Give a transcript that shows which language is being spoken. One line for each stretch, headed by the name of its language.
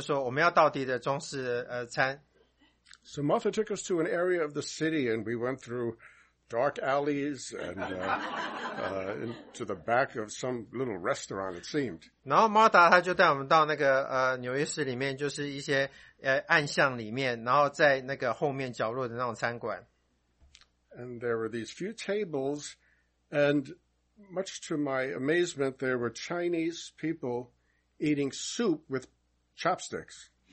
Chinese: 然后就在我能够做选择之前，我太太就说我们要道地的中式餐。
English: So Martha took us to an area of the city and we went through dark alleys and into the back of some little restaurant, it seemed.
Chinese: 然后Martha他就带我们到那个纽约市里面，就是一些暗巷里面，然后在那个后面角落的那种餐馆。
English: And there were these few tables, and much to my amazement, there were Chinese people eating soup with chopsticks.